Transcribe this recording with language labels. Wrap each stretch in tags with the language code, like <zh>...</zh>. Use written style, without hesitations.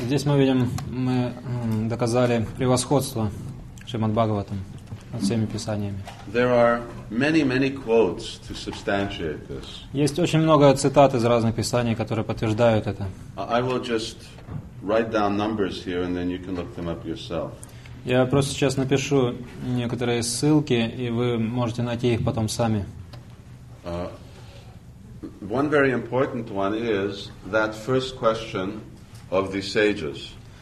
<ru>Здесь мы видим, мы доказали превосходство Шримад Бхагаватам над всеми писаниями.</ru> <en>There are many, many quotes to substantiate this.</en> <ru>Есть очень много цитат из разных писаний, которые подтверждают это.</ru> <en>I will just write down numbers here, and then you can look them up yourself.</en> <ru>Я просто сейчас напишу некоторые ссылки, и вы можете найти их потом сами.</ru> <en>One very important one is that first question of the sages.</en>